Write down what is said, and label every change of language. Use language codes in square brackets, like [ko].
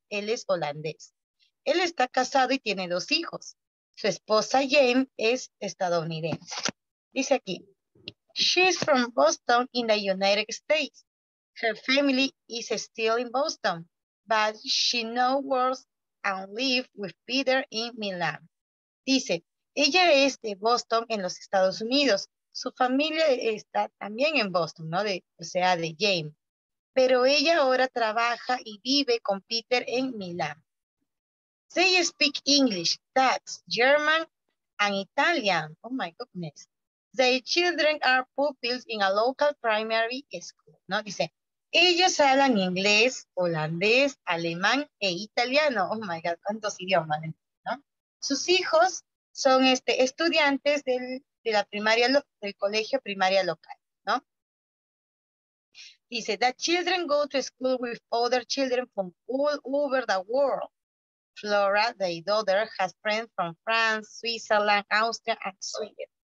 [es] Él es holandés. Él está casado y tiene dos hijos. Su esposa, Jane, es estadounidense. Dice aquí, [en] she's from Boston in the United States. Her family is still in Boston, but she now works and lives with Peter in Milan. [es] Dice, ella es de Boston en los Estados Unidos. Su familia está también en Boston, ¿no? De Jane. Pero ella ahora trabaja y vive con Peter en Milán. [en] They speak English, Dutch, German, and Italian. Oh, my goodness. Their children are pupils in a local primary school, ¿no? [es] Dice, ellos hablan inglés, holandés, alemán e italiano. [en] Oh, my God, [es] ¿cuántos idiomas? ¿No? Sus hijos son estudiantes del colegio primaria local, ¿no? [en] Dice, the children go to school with other children from all over the world. Flora, the daughter, has friends from France, Switzerland, Austria, and Sweden.